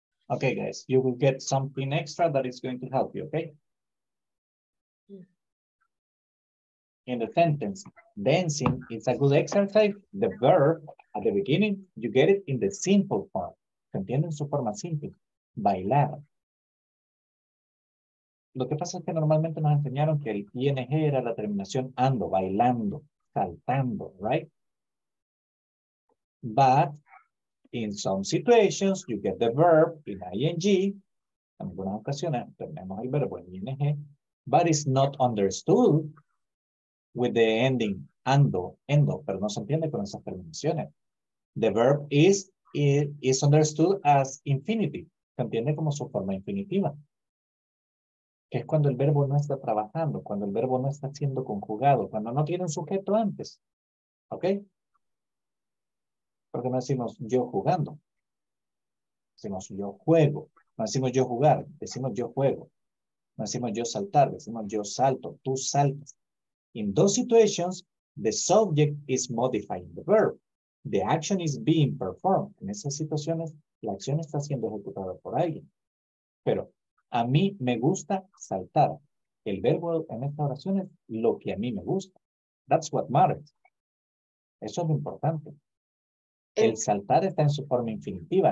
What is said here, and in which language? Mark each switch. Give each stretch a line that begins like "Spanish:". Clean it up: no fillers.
English: Okay, guys, you will get something extra that is going to help you, okay? In the sentence, dancing is a good exercise. The verb at the beginning, you get it in the simple form.
Spanish: ¿Entienden su forma simple? Bailar. Lo que pasa es que normalmente nos enseñaron que el ing era la terminación ando, bailando, saltando,
English: right? But in some situations, you get the verb in ing.
Spanish: En algunas ocasiones tenemos el verbo en ing,
English: but it's not understood with the ending endo,
Spanish: pero no se entiende con esas terminaciones.
English: The verb is understood as infinitive.
Spanish: Se entiende como su forma infinitiva. Que es cuando el verbo no está trabajando, cuando el verbo no está siendo conjugado, cuando no tiene un sujeto antes. ¿Ok? Porque no decimos yo jugando. Decimos yo juego. No decimos yo jugar, decimos yo juego. No decimos yo saltar, decimos yo salto, tú saltas.
English: In those situations, the subject is modifying the verb. The action is being performed.
Spanish: En esas situaciones, la acción está siendo ejecutada por alguien. Pero a mí me gusta saltar. El verbo en esta oración es lo que a mí me gusta.
English: That's what matters.
Spanish: Eso es lo importante. El saltar está en su forma infinitiva.